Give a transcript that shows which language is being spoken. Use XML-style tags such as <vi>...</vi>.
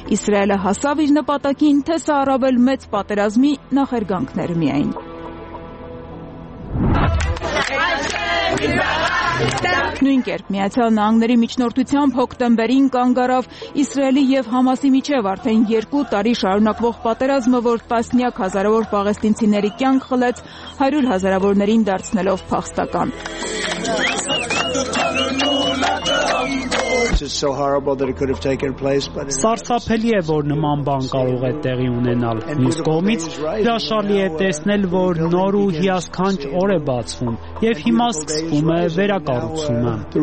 <hy>Իսրայելը հասավ իր նպատակին, թե սա առավել մեծ պատերազմի նախերգանքն էր միայն։ Նույն կերպ Միացյալ Նահանգների միջնորդությամբ հոկտեմբերին կանգարավ Իսրայելի և Համասի միջև արդեն 2 տարի շարունակվող պատերազմը, որ տասնյակ հազարավոր պաղեստինցիների կյանք խլեց, 100 հազարավորներին դարձնելով փախստական։</hy> <en>It's so horrible that it could have taken place, but</en> <hy>Սարսափելի է, որ նման բան կարող է տեղի ունենալ։ Մյուս կողմից, հրաշալի է տեսնել, որ նոր ու հիասքանչ օր է բացվում, և հիմա սկսվում է վերակառուցումը։</hy>